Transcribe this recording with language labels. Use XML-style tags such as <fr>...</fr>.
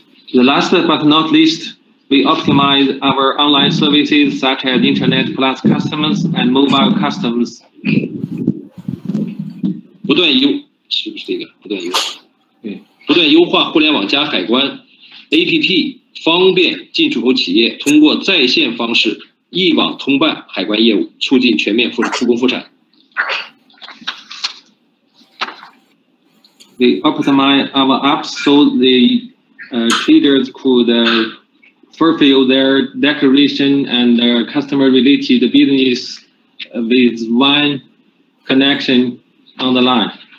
<en>The last but not least, we optimize our online services such as Internet Plus customs and mobile customs.</en> <zh>不断优是不是这个？不断优化，对，不断优化互联网加海关 APP， 方便进出口企业通过在线方式一网通办海关业务，促进全面复工复产。</zh> <en>We optimize our apps so the traders could fulfill their declaration and their customer-related business with one connection on the line.</en>